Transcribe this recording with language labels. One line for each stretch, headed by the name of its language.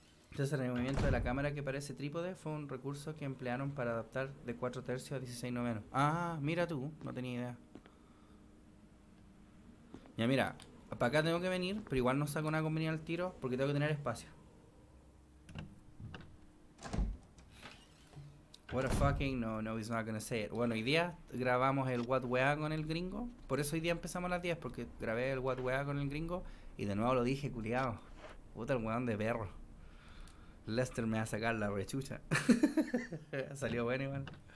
Spanish: Entonces el movimiento de la cámara que parece trípode fue un recurso que emplearon para adaptar de 4 tercios a 16 novenos. Ah, mira tú, no tenía idea. Ya mira, para acá tengo que venir, pero igual no saco nada conveniente al tiro porque tengo que tener espacio.
English: What a fucking no, no, he's not gonna say it.
Spanish: Bueno, hoy día grabamos el What Wea con el gringo. Por eso hoy día empezamos a las 10, porque grabé el What Wea con el gringo y de nuevo lo dije, culiao. Puta, el weón de perro. Lester me va a sacar la rechucha. Salió bueno igual.